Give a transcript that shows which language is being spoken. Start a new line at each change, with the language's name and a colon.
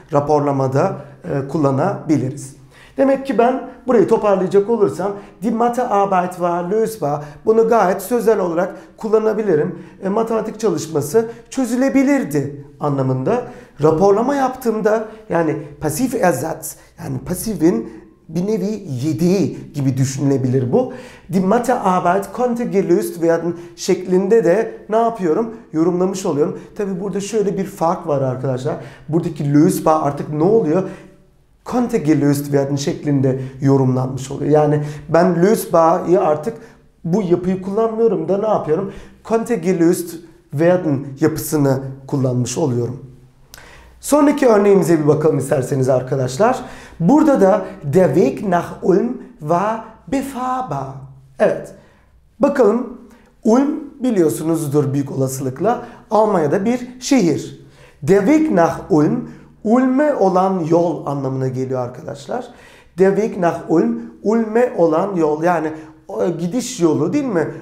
Turkish: Raporlamada kullanabiliriz. Demek ki ben burayı toparlayacak olursam
German: die Mathe Arbeit war lösbar.
Turkish: Bunu gayet sözel olarak kullanabilirim. Matematik çalışması çözülebilirdi anlamında. Raporlama yaptığımda, yani pasif ersatz, yani pasifin bir nevi yedeği gibi düşünülebilir bu.
German: Die Mathe Arbeit konnte gelöst werden
Turkish: şeklinde de ne yapıyorum? Yorumlamış oluyorum. Tabi burada şöyle bir fark var arkadaşlar. Buradaki lösbar artık ne oluyor?
German: Konnte gelöst werden
Turkish: şeklinde yorumlanmış oluyor. Yani ben lösbar'ı artık bu yapıyı kullanmıyorum da ne yapıyorum?
German: Konnte gelöst werden
Turkish: yapısını kullanmış oluyorum. Sonraki örneğimize bir bakalım isterseniz arkadaşlar. Burada da
German: der Weg nach Ulm war befahrbar.
Turkish: Evet. Bakalım, Ulm biliyorsunuzdur büyük olasılıkla Almanya'da bir şehir.
German: Der Weg nach Ulm,
Turkish: Ulm'e olan yol anlamına geliyor arkadaşlar.
German: Der Weg nach Ulm,
Turkish: Ulm'e olan yol, yani gidiş yolu değil mi?